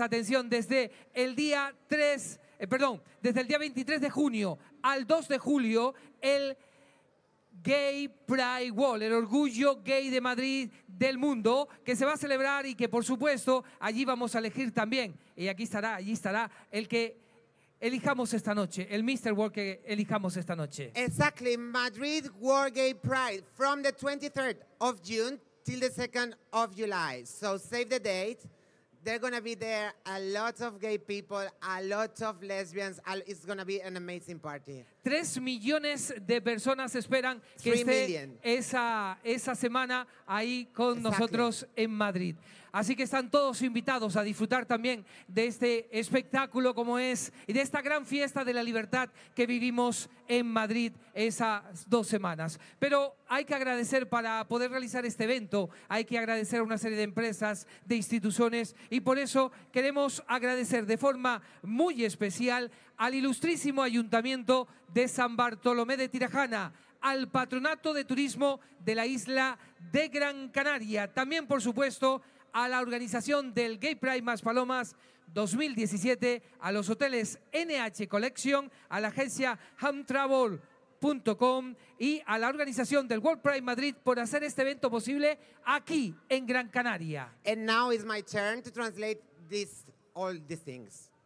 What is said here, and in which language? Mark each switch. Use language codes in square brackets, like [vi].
[es] Atención, desde el día 3, perdón, desde el día 23 de junio al 2 de julio, el Gay Pride Wall, el orgullo gay de Madrid del mundo, que se va a celebrar y que, por supuesto, allí vamos a elegir también. Y aquí estará, allí estará el que elijamos esta noche, el Mr. World que elijamos esta noche. [en] Exactly, Madrid World Gay Pride from the 23rd of June till the 2nd of July. So save the date. They're going to be there, a lot of gay people, a lot of lesbians. It's going to be an amazing party. [es] 3 millones de personas esperan que esté esa semana ahí con nosotros en Madrid. Así que están todos invitados a disfrutar también de este espectáculo como es y de esta gran fiesta de la libertad que vivimos en Madrid esas 2 semanas. Pero hay que agradecer para poder realizar este evento, hay que agradecer a una serie de empresas, de instituciones y por eso queremos agradecer de forma muy especial al ilustrísimo Ayuntamiento de San Bartolomé de Tirajana, al Patronato de Turismo de la Isla de Gran Canaria, también por supuesto a la organización del Gay Pride Maspalomas 2017, a los hoteles NH Collection, a la agencia hamtravel.com y a la organización del World Pride Madrid por hacer este evento posible aquí en Gran Canaria. [en] And now is my turn to translate this, all these things.